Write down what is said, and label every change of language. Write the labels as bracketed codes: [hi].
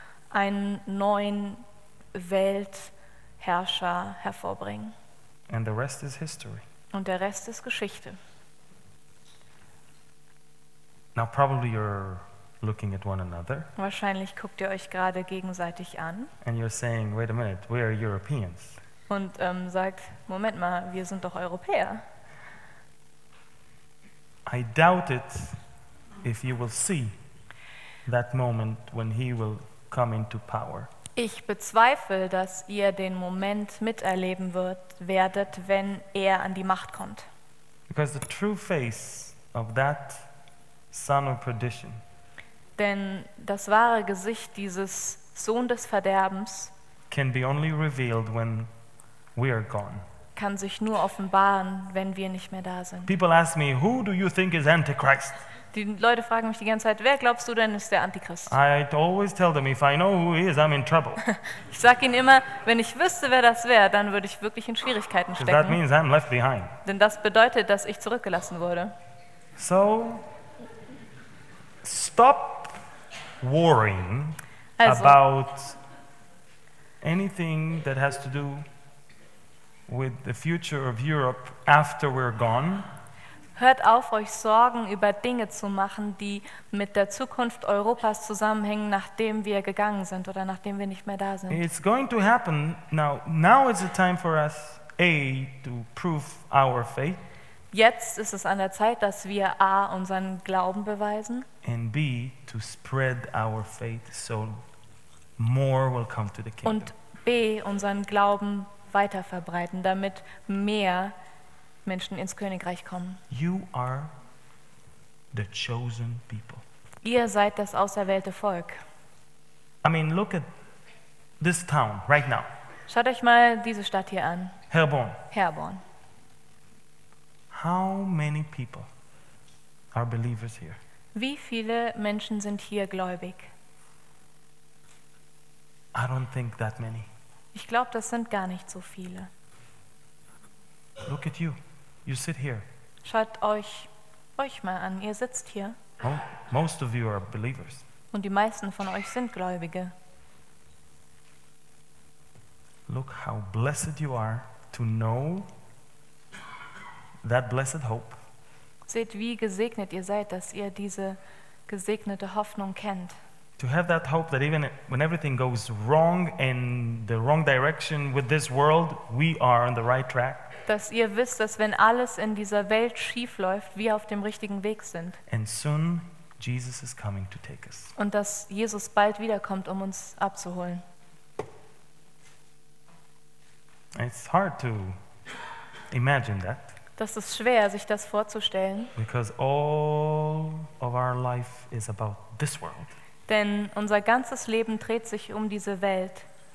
[de] Einen neuen Weltherrscher hervorbringen. [en] And the rest is history. [de] Und der Rest ist Geschichte. [en] Now probably you're looking at one another. [de] Wahrscheinlich guckt ihr euch gerade gegenseitig an. [en] And you're saying, wait a minute, we are Europeans. [de] Und sagt, Moment mal, wir sind doch Europäer. [en] I doubt it if you will see that moment when he will come into power. [de] Ich bezweifle, dass ihr den Moment miterleben werdet, wenn er an die Macht kommt. [en] Because the true face of that son of perdition. [de] Denn das wahre Gesicht dieses Sohn des Verderbens [en] can be only revealed when we are gone. [de] Kann sich nur offenbaren, wenn wir nicht mehr da sind. [en] People ask me, who do you think is Antichrist? [de] Die Leute fragen mich die ganze Zeit, wer glaubst du denn ist der Antichrist? [en] I always tell them, if I know who he is, I'm in trouble. [de] Ich sage ihnen immer, wenn ich wüsste, wer das wäre, dann würde ich wirklich in Schwierigkeiten stecken. [en] That means I'm left behind. [de] Denn das bedeutet, dass ich zurückgelassen wurde. [en] So, stop worrying about anything that has to do with the future of Europe after we're gone. [de] Hört auf, euch Sorgen über Dinge zu machen, die mit der Zukunft Europas zusammenhängen, nachdem wir gegangen sind oder nachdem wir nicht mehr da sind. [en] It's going to happen. Now is the time for us to prove our faith. [de] Jetzt ist es an der Zeit, dass wir A, unseren Glauben beweisen, [en] and B, to spread our faith so more will come to the kingdom. [de] Und B, unseren Glauben weiter verbreiten, damit mehr Menschen ins Königreich kommen. [en] You are the chosen people. [de] Ihr seid das auserwählte Volk. [en] I mean, look at this town right now. [de] Schaut euch mal diese Stadt hier an. [en] Herborn. How many people are believers here? [de] Wie viele Menschen sind hier gläubig? [en] I don't think that many. [de] Ich glaube, das sind gar nicht so viele. [en] Look at you. You sit here. [de] Schaut euch mal an. Ihr sitzt hier. [en] Oh, most of you are believers. [de] Und die meisten von euch sind Gläubige. [en] Look how blessed you are to know that blessed hope. [de] Seht, wie gesegnet ihr seid, dass ihr diese gesegnete Hoffnung kennt. [en] To have that hope that even when everything goes wrong in the wrong direction with this world, we are on the right track. [de] Dass ihr wisst, dass wenn alles in dieser Welt schief läuft, wir auf dem richtigen Weg sind. [en] And soon Jesus is coming to take us. [de] Und dass Jesus bald wiederkommt, um uns abzuholen. [en] It's hard to imagine that. [de] Das ist schwer, sich das vorzustellen. [en] Because all of our life is about this world. [de] Denn unser ganzes Leben dreht sich um diese Welt.